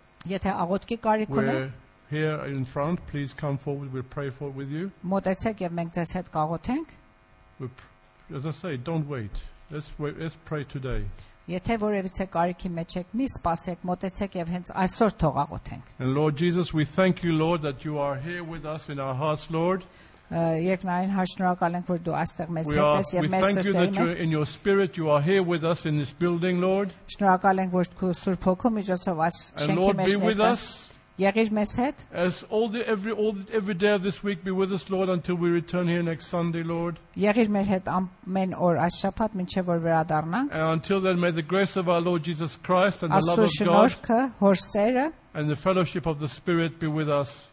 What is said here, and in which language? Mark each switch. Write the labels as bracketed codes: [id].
[hy] Եթե աղոթքի կարիք ունեք, [en] here in front, please come forward. We'll pray for with you. [hy] Մոտեցեք եւ մենք ձեզ հետ կաղոթենք։ [en] As I say, don't wait. Let's pray today. [hy] Եթե որևիցե կարիքի մեջ եք, մի սպասեք, մոտեցեք եւ հենց այսօր թող աղոթենք։ [en] And Lord Jesus, we thank you, Lord, that you are here with us in our hearts, Lord. [hy] Երկնային հաշնորակալ ենք, որ դու այստեղ մեզ հետ ես եւ մեզ սրտերում ես։ [en] We thank you that in your spirit you are here with us in this building, Lord. [hy] Շնորհակալ ենք, որ քո Սուրբ Հոգու միջոցով այս շենքի մեջ ես։ [en] And Lord, be with us. [hy] Եղիր մեզ հետ։ [en] As every day of this week be with us, Lord, until we return here next Sunday, Lord. [hy] Եղիր մեզ հետ ամեն օր այս շաբաթ, մինչեւ որ վերադառնանք։ [en] And until then, may the grace of our Lord Jesus Christ and the love of God. [hy] Աստուծո հորսերը [en] And the fellowship of the Spirit be with us